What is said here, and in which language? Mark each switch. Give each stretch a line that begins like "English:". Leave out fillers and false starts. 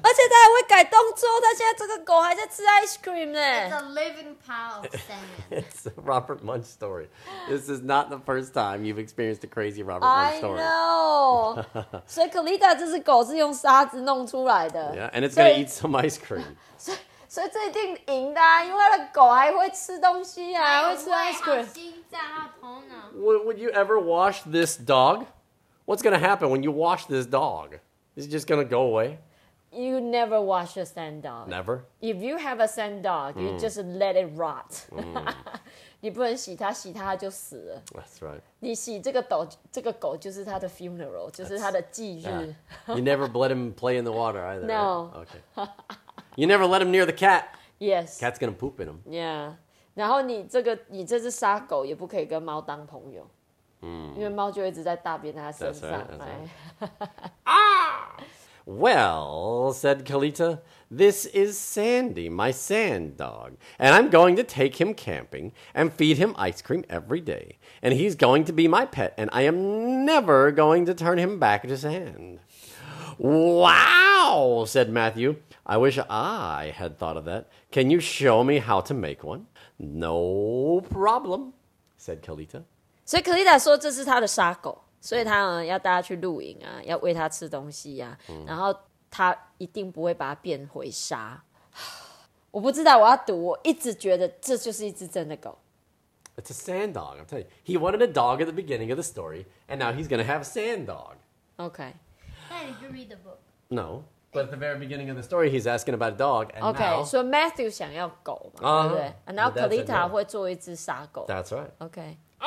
Chinese: 而且它还会改动作。它现在这个狗还在吃 ice cream 呢。
English: It's a living pile of sand. It's a Robert Munch story. This is not the first time you've experienced a crazy Robert Munch story. I know.
Chinese: 所以 Kalita 这只狗是用沙子弄出来的。
English: Yeah, and it's going to eat some ice cream.
Chinese: 所以这一定赢的啊，因为他狗还会吃东西啊，还会吃 ice cream。心脏和头脑。
English: Would you ever wash this dog? What's gonna happen when you wash this dog? Is it just gonna go away? You never wash a sand dog. Never? If you have a sand dog, you just let it rot.
Chinese: 你不能洗它，洗它就死了。
English: That's right.
Chinese: 你洗这个狗，这个狗就是它的 funeral, 就是它的忌日。
English: You never let him play in the water either. No. Okay. You never let him near the cat. Yes. Cat's gonna poop in him. Yeah.
Chinese: 然后你这个，你这只杀狗也不可以跟猫当朋友。因为猫就一直在大便在它身上。
English: That's right. Well, said Kalita, this is Sandy, my sand dog, and I'm going to take him camping and feed him ice cream every day, and he's going to be my pet, and I am never going to turn him back to sand. Wow, said Matthew, I wish I had thought of that. Can you show me how to make one? No problem, said Kalita.
Chinese: So Kalita 说这是他的杀狗。所以他呢要带他去露营啊，要喂他吃东西啊，然后他一定不会把他变回沙。我不知道，我要赌，我一直觉得这就是一只真的狗。
English: It's a sand dog, I'm telling you. He wanted a dog at the beginning of the story, and now he's going to have a sand dog. Okay. Daddy, did you read the book? No, but at the very beginning of the story, he's asking about a dog, and okay, now... Okay, so
Chinese: Matthew 想要狗嘛、对不对？
English: And now
Chinese: Kalita 会做一只沙狗。
English: That's right. Okay.